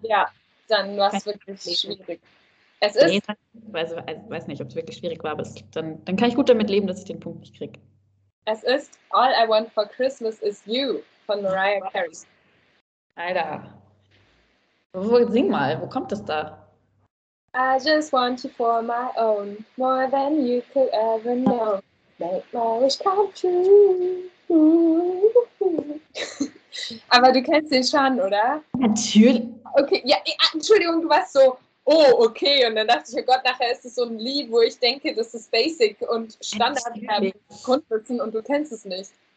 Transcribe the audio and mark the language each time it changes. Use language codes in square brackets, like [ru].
[de] Ja, dann war es wirklich schwierig. Es ist. Nee, ich weiß nicht, ob es wirklich schwierig war, aber dann kann ich gut damit leben, dass ich den Punkt nicht kriege. Es ist All I Want for Christmas Is You von Mariah Carey. Alter. Wo, sing mal, wo kommt das da? [en] I just want you for my own, more than you could ever know. Make my wish come true. [de] Aber du kennst den schon, oder? Natürlich. Okay, ja, Entschuldigung, du warst so, oh, okay. Und dann dachte ich, oh Gott, nachher ist es so ein Lied, wo ich denke, das ist basic und Standard Grundwissen und du kennst es nicht.